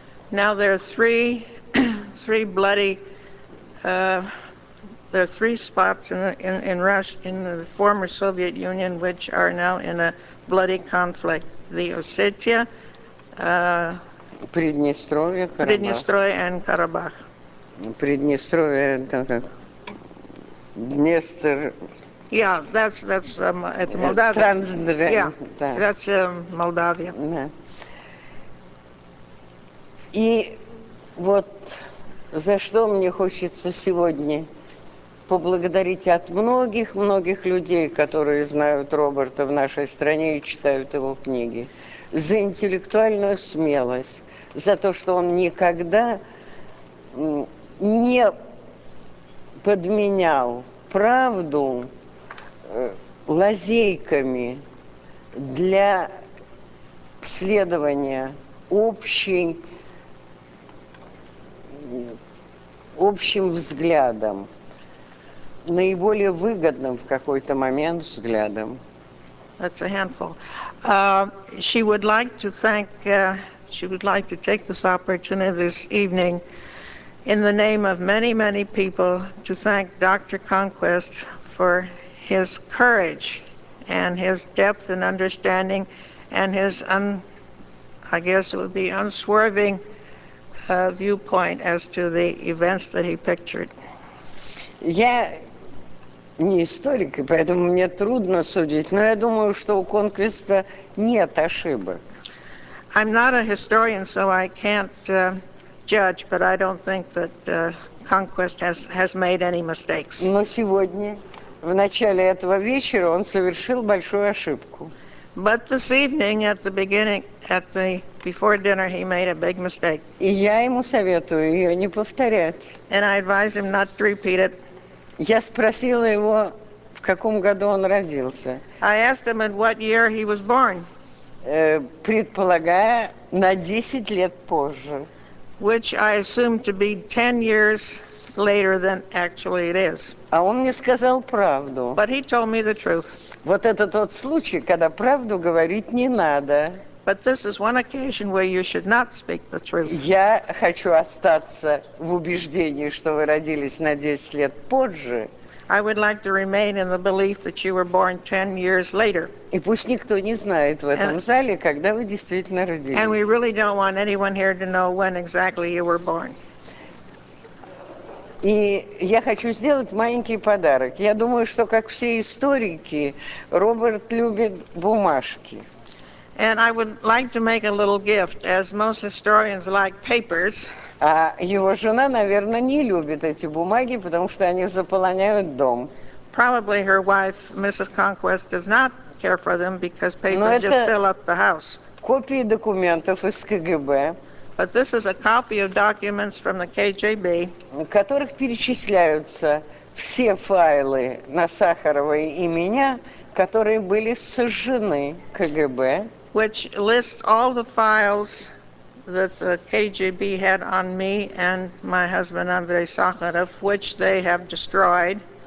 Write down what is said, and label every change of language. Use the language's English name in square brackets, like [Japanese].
[English] Now there are three bloody there are three spots in Russia, in the former Soviet Union, which are now in a bloody conflict. The Osetia, [Russian] Приднестровье, Карабах. [English] Приднестровье and Карабах. [Russian] Приднестровье это как Днестр. [English] Yeah, that's [Russian] это [English] Молдавия. That's Moldavia. [Russian] И вот за что мне хочется сегодня поблагодарить от многих-многих людей, которые знают Роберта в нашей стране и читают его книги, за интеллектуальную смелость, за то, что он никогда не подменял правду лазейками для следования общим взглядом, наиболее выгодным в какой-то момент взглядом. [English] That's a handful. She would like to thank, she would like to take this opportunity this evening in the name of many, many people to thank Dr. Conquest for his courage and his depth and understanding and his, unswerving viewpoint as to the events that he pictured. [Russian] Не историк, и поэтому мне трудно судить, но я думаю, что у Конквиста нет ошибок. [English] I'm not a historian, so I can't judge, but I don't think that Conquest has made any mistakes. [Russian] Но сегодня, в начале этого вечера, он совершил большую ошибку. [English] But this evening, at the beginning, before dinner, he made a big mistake. [Russian] И я ему советую ее не повторять. [English] And I advise him not to repeat it. [Russian] Я спросила его, в каком году он родился. [English] I asked him in what year he was born. [Russian] Предполагая на 10 лет позже. [English] Which I assume to be 10 years later than actually it is. [Russian] А он мне сказал правду. [English] But he told me the truth. [Russian] Вот это тот случай, когда правду говорить не надо. [English] But this is one occasion where you should not speak the truth. [Russian] Я хочу остаться в убеждении, что вы родились на 10 лет позже. [English] I would like to remain in the belief that you were born 10 years later. [Russian] И пусть никто не знает в этом зале, когда вы действительно родились. [English] And we really don't want anyone here to know when exactly you were born. [Russian] И я хочу сделать маленький подарок. Я думаю, что, как все историки, Роберт любит бумажки. [English] And I would like to make a little gift, as most historians like papers. [Russian] А его жена, наверное, не любит эти бумаги, потому что они заполоняют дом. [English] Probably her wife, Mrs. Conquest, does not care for them because papers just fill up the house. [Russian] Копии документов из КГБ. [English] But this is a copy of documents from the KGB. [Russian] В которых перечисляются все файлы на Сахарова и меня, которые были сожжены КГБ. [English] Which lists all the files that the KGB had on me and my husband Andrei Sakharov, which they have destroyed.